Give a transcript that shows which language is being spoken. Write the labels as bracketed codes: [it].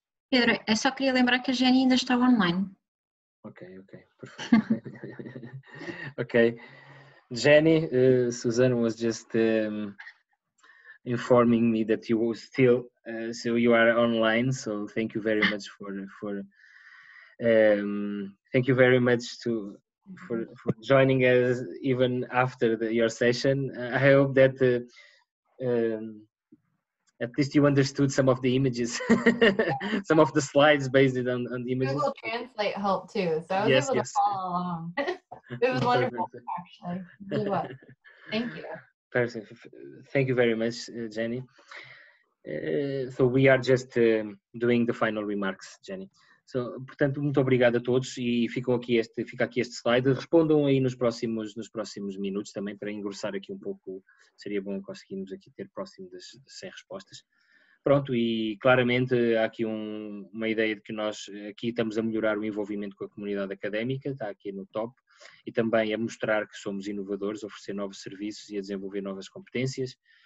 [pt] Pedro, eu só queria lembrar que a Jenny ainda está online. Ok, perfeito. Ok. [en] Jenny, Susan was just informing me that you were still, so you are online, so thank you very much for joining us even after your session. I hope that at least you understood some of the images, some of the slides based on the images. Google Translate helped too, so I was able to follow along. It was wonderful, actually. Thank you. Perfect. Thank you very much, Jenny. So we are just doing the final remarks, Jenny. [pt] So, portanto, muito obrigado a todos, e fica aqui este slide. Respondam aí nos próximos minutos também, para engrossar aqui um pouco. Seria bom conseguirmos aqui ter próximo das 100 respostas. Pronto, e claramente há aqui uma ideia de que nós aqui estamos a melhorar o envolvimento com a comunidade académica, está aqui no top, e também a mostrar que somos inovadores, a oferecer novos serviços e a desenvolver novas competências.